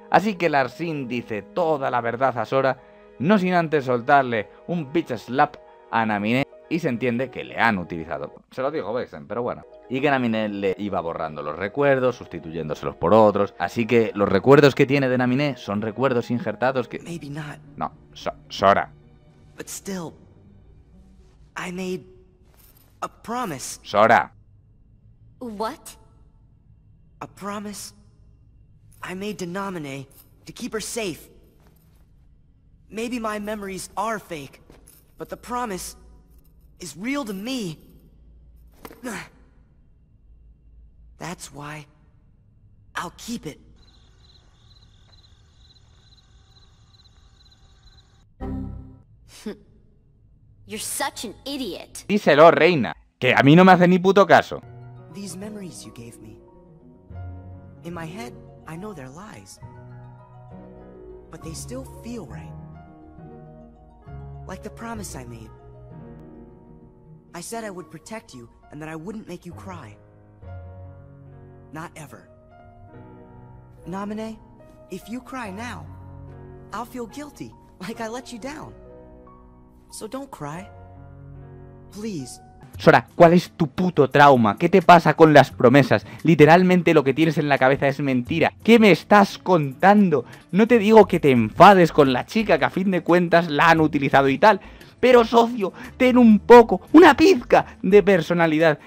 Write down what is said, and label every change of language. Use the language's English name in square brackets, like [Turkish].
[Spanish] Así que Lakshin dice toda la verdad a Sora, no sin antes soltarle un bitch slap a Naminé, y se entiende que le han utilizado. Se lo dijo Vexen, pero bueno. Y que Naminé le iba borrando los recuerdos, sustituyéndoselos por otros. Así que los recuerdos que tiene de Naminé son recuerdos injertados que... [English] Maybe not. No, Sora. But still, I made a promise. Sora. What? A promise I made to Naminé to keep her safe. Maybe my memories are fake, but the promise is real to me. That's why I'll keep it. You're such an idiot. [Spanish] Díselo, reina, que a mí no me hace ni puto caso. These memories you gave me. In my head, I know they're lies. But they still feel right. Like the promise I made. I said I would protect you and that I wouldn't make you cry. Not ever. Naminé, if you cry now, I'll feel guilty, like I let you down. So don't cry. Please. Sora, ¿cuál es tu puto trauma? ¿Qué te pasa con las promesas? Literalmente lo que tienes en la cabeza es mentira. ¿Qué me estás contando? No te digo que te enfades con la chica que a fin de cuentas la han utilizado y tal. Pero socio, ten un poco, una pizca de personalidad.